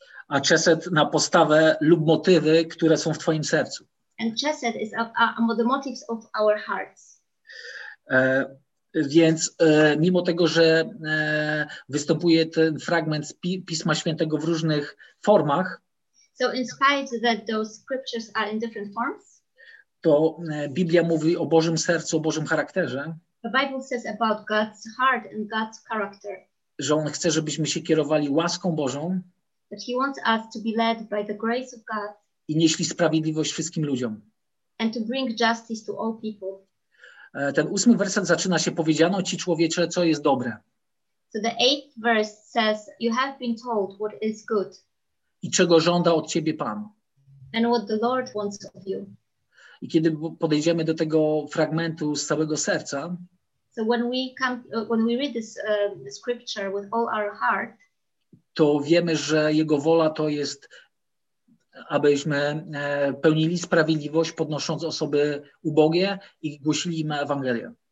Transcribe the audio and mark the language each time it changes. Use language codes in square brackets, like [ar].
[pl] A chesed na postawę lub motywy, które są w twoim sercu. [en] And chesed is the motives of our hearts. [pl] Więc mimo tego, że występuje ten fragment z Pisma Świętego w różnych formach. [en] So in spite that those scriptures are in different forms, [pl] to Biblia mówi o Bożym sercu, o Bożym charakterze. [en] The Bible says about God's heart and God's character. [pl] Że on chce, żebyśmy się kierowali łaską Bożą. [en] That he wants us to be led by the grace of God. [pl] I nieśli sprawiedliwość wszystkim ludziom. [en] And to bring justice to all people. [pl] Ten ósmy werset zaczyna się: powiedziano ci, człowiecze, co jest dobre. [en] So the eighth verse says, you have been told what is good. [pl] I czego żąda od ciebie Pan. [en] And what the Lord wants of you. [pl] I kiedy podejdziemy do tego fragmentu z całego serca, [en] so when we come, when we read this scripture with all our heart, [pl] to wiemy, że Jego wola to jest, abyśmy pełnili sprawiedliwość, podnosząc osoby ubogie i głosili im Ewangelię.